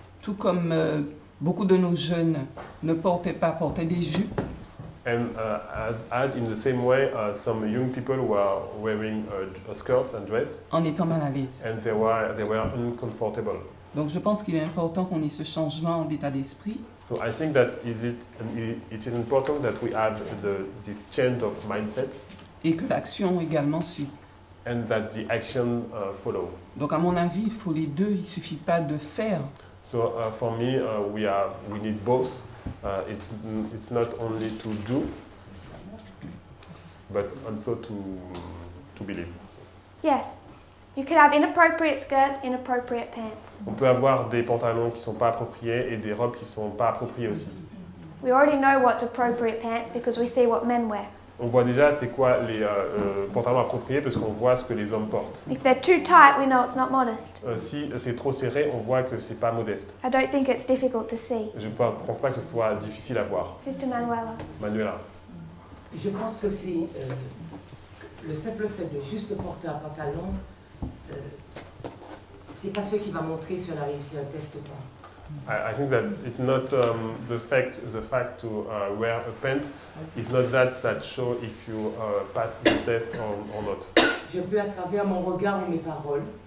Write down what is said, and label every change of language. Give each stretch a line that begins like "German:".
French: Tout comme beaucoup de nos jeunes ne portaient pas, portaient des jupes.
English: And as in the same way, some young people were wearing skirts and dress.
French: En étant mal à l'aise.
English: And they were uncomfortable.
French: Donc je pense qu'il est important qu'on ait ce changement d'état d'esprit.
English: So I think that it is important that we have this change of mindset.
French: Et que l'action également suit.
English: And that the action follow.
French: Donc à mon avis, il faut les deux. Il suffit pas de faire.
English: So for me, we need both. It's not only to do, but also to believe. Yes, you can have inappropriate skirts, inappropriate pants.
French: On peut avoir des pantalons qui sont pas appropriés et des robes qui sont pas appropriées aussi.
English: We already know what's appropriate pants because we see what men wear.
French: On voit déjà c'est quoi les pantalons appropriés parce qu'on voit ce que les hommes portent.
English: If they're too tight, we know it's not modest.
French: Si c'est trop serré, on voit que c'est pas modeste.
English: I don't think it's difficult to see.
French: Je ne pense pas que ce soit difficile à voir.
English: Sister Manuela. Manuela.
French: Je pense que c'est le simple fait de juste porter un pantalon, c'est pas ce qui va montrer si on a réussi un test ou pas.
English: I think that it's not the fact to wear a pant is not that show if you pass the test or not.
French: Je peux à travers mon regard ou mes paroles.